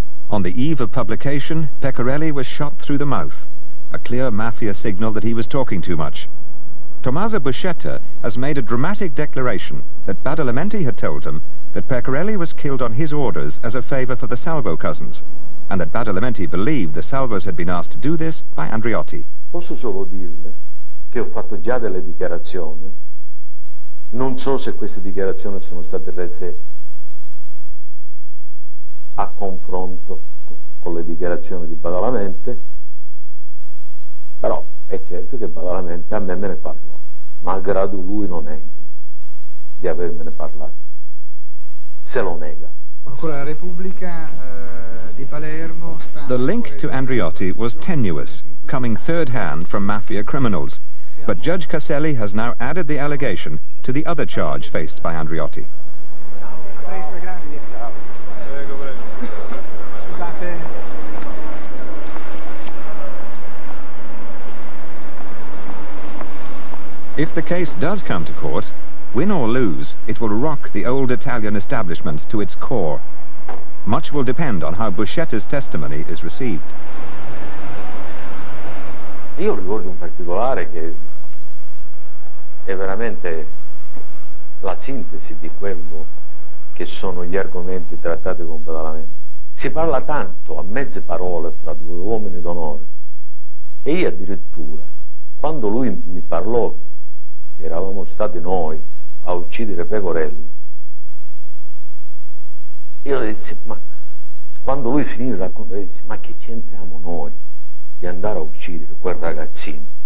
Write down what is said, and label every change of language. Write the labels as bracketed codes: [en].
[en] On the eve of publication, Pecorelli was shot through the mouth, a clear mafia signal that he was talking too much. Tommaso Buscetta has made a dramatic declaration that Badalamenti had told him that Pecorelli was killed on his orders as a favour for the Salvo cousins, and that Badalamenti believed the Salvos had been asked to do this by Andreotti. [it] Posso solo dirle che ho fatto già delle dichiarazioni. Non so se queste dichiarazioni sono state rese a confronto con le dichiarazioni di Badalamenti, però è certo che Badalamenti a me me ne parlò, malgrado lui non neghi di avermene parlato, se lo nega. Ancora la Repubblica di Palermo sta... [en] The link to Andreotti was tenuous, coming third hand from mafia criminals, but Judge Caselli has now added the allegation to the other charge faced by Andreotti. If the case does come to court, win or lose, it will rock the old Italian establishment to its core. Much will depend on how Buscetta's testimony is received. [it] Io ricordo un particolare che è veramente la sintesi di quello che sono gli argomenti trattati con Badalamenti. Si parla tanto a mezze parole fra due uomini d'onore, e io addirittura, quando lui mi parlò eravamo stati noi a uccidere Pecorelli, io dissi, ma quando lui finì di raccontare, dissi, ma che c'entriamo noi di andare a uccidere quel ragazzino?